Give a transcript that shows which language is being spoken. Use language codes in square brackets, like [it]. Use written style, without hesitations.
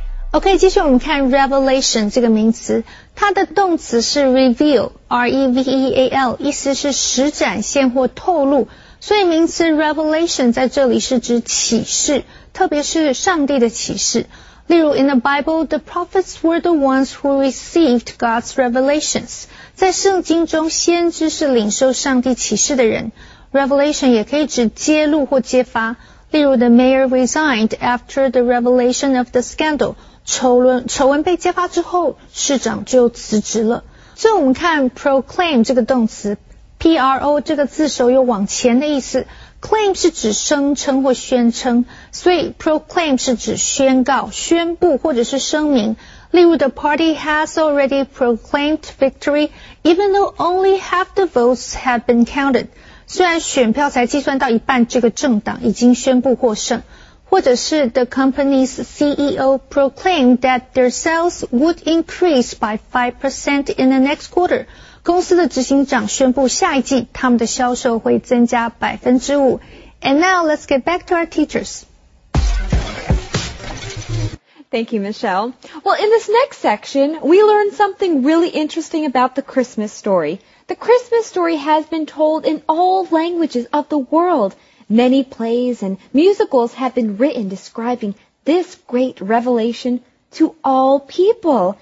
[zh] OK, 继续我们看 revelation 这个名词，它的动词是 reveal, R-E-V-E-A-L, 意思是实展现或透露，所以名词 revelation 在这里是指启示，特别是上帝的启示。例如 [en] in the Bible, the prophets were the ones who received God's revelations. [zh] 在圣经中，先知是领受上帝启示的人。 Revelation 也可以指揭露或揭发。例如 [en] the mayor resigned after the revelation of the scandal. [zh] 丑闻被揭发之后，市长就辞职了。所以我们看 proclaim 这个动词， P-R-O 这个字首有往前的意思。 Claim 是指声称或宣称，所以 proclaim 是指宣告、宣布或者是声明。例如 [en] the party has already proclaimed victory even though only half the votes have been counted. [zh] 虽然选票才计算到一半，这个政党已经宣布获胜。或者是 [en] the company's CEO proclaimed that their sales would increase by 5% in the next quarter. [zh] 公司的执行长宣布下一季他们的销售会增加 5%. [en] And now let's get back to our teachers. Thank you, Michelle. Well, in this next section, we learned something really interesting about the Christmas story. The Christmas story has been told in all languages of the world. Many plays and musicals have been written describing this great revelationto all people.